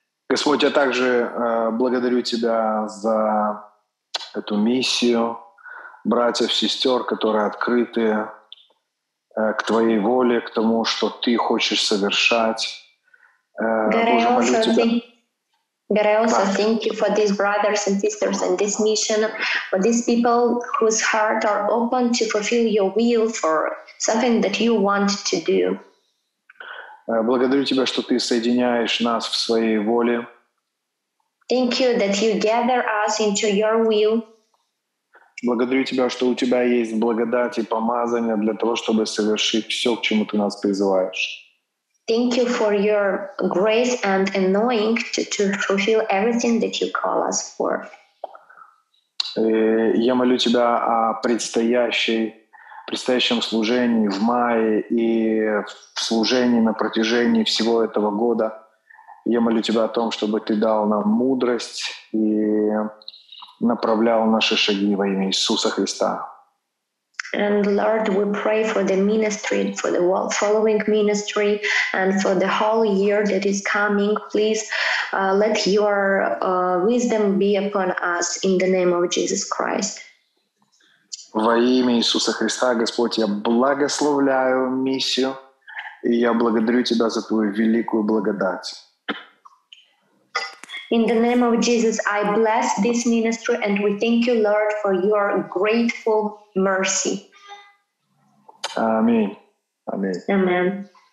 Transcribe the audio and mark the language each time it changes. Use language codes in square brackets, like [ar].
[ru] Господь, я также благодарю Тебя за эту миссию братьев, сестер, которые открыты к Твоей воле, к тому, что Ты хочешь совершать. Боже, молю Тебя. [en] God, I also thank you for these brothers and sisters and this mission, for these people whose hearts are open to fulfill your will for something that you want to do. [ru] Благодарю тебя, что ты соединяешь нас в своей воле. [en] Thank you that you gather us into your will. [ru] Благодарю тебя, что у тебя есть благодать и помазание для того, чтобы совершить все, к чему ты нас призываешь. [en] Thank you for your grace and anointing to fulfill everything that you call us for. [ru] Я молю тебя о предстоящем служении в мае и в служении на протяжении всего этого года. Я молю тебя о том, чтобы ты дал нам мудрость и направлял наши шаги во имя Иисуса Христа. [en] And Lord, we pray for the ministry, for the following ministry, and for the whole year that is coming. Please let your wisdom be upon us in the name of Jesus Christ. [ru] Во имя Иисуса Христа, Господь, я благословляю миссию, и я благодарю Тебя за Твою великую благодать. [en] In the name of Jesus, I bless this ministry and we thank you, Lord, for your grateful mercy. Amen. Amen. Amen.